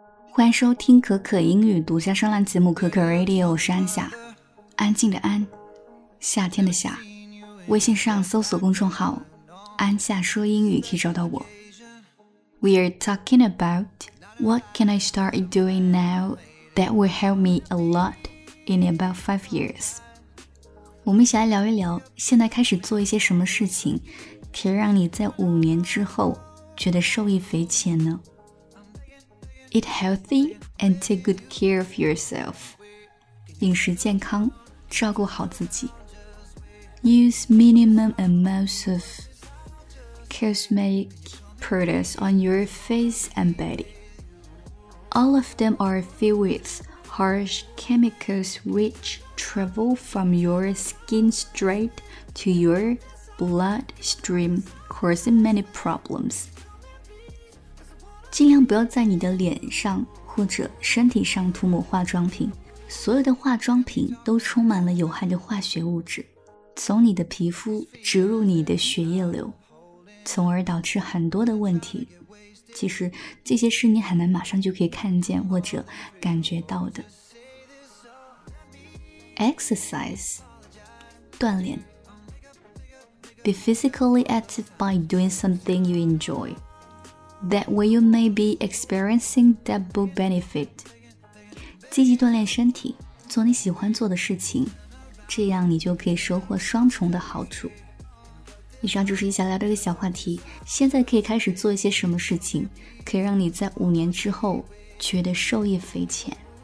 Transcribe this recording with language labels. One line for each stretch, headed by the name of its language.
Chinese: 欢迎收听可可英语独家专栏节目可可 Radio， 我是安夏，安静的安，夏天的夏。微信上搜索公众号安夏说英语可以找到我。
English: We are talking about what can I start doing now that will help me a lot in about 5 years。
Chinese: 我们一起来聊一聊现在开始做一些什么事情可以让你在5年之后觉得受益匪浅呢？
English: Eat healthy and take good care of yourself.
Chinese: 饮食健康，照顾好自己。
English: Use minimum amounts of cosmetic products on your face and body. All of them are filled with harsh chemicals which travel from your skin straight to your bloodstream, causing many problems.
Chinese: 尽量不要在你的脸上或者身体上涂抹化妆品，所有的化妆品都充满了有害的化学物质，从你的皮肤植入你的血液流，从而导致很多的问题。其实这些是你很难马上就可以看见或者感觉到的。
English: Exercise 锻炼。 Be physically active by doing something you enjoy. That way you may be experiencing double benefit.
Chinese: 积极锻炼身体，做你喜欢做的事情，这样你就可以收获双重的好处。以上就是一下聊这个小话题，现在可以开始做一些什么事情，可以让你在5年之后觉得受益匪浅。